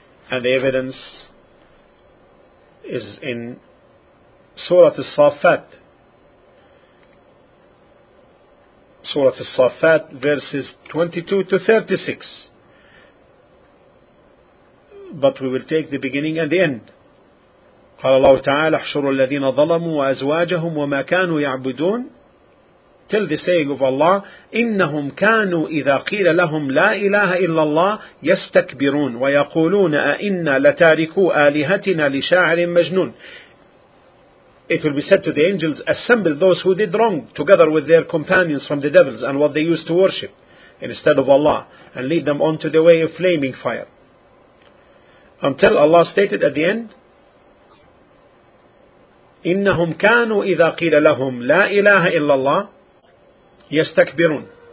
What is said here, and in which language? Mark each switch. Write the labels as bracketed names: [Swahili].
[English] And the evidence is in Surah As-Saffat. Surah As-Saffat, verses 22-36. But we will take the beginning and the end. [Arabic] قال الله تعالى احشروا الذين ظلموا وأزواجهم وما كانوا يعبدون. [English] Till the saying of Allah, [Arabic] إنهم كانوا إذا قيل لهم لا إله إلا الله يستكبرون ويقولون أئنا لتاركوا آلهتنا لشاعر مجنون. [English] It will be said to the angels, assemble those who did wrong together with their companions from the devils and what they used to worship instead of Allah, and lead them onto the way of flaming fire. Until Allah stated at the end, [Arabic] إنهم كانوا إذا قيل لهم لا إله إلا الله يستكبرون.